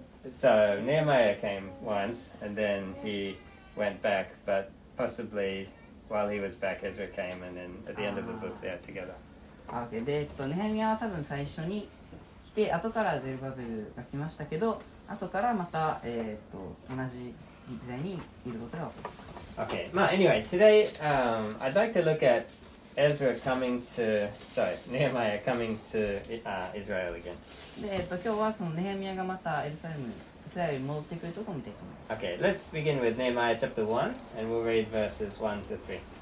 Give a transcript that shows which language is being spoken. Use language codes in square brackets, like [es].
[en] So, Nehemiah came once, and then he went back. But possibly, while he was back, Ezra came, and then at the end of the book, they're together. Okay. [ja] で、ネヘミヤは多分最初に来て、後からゼルバベルが来ましたけど、後からまた、同じ時代にいることが分かります。 [en] Okay. [ja] まあ、 [en] anyway, today, I'd like to look at Ezra coming to, sorry, Nehemiah coming to, Israel again. [ja] で、今日はそのネヘミヤがまたエルサレムイスラエルに戻ってくるところを見ていきます。 [en] Okay. Let's begin with Nehemiah chapter 1, and we'll read verses 1 to 3.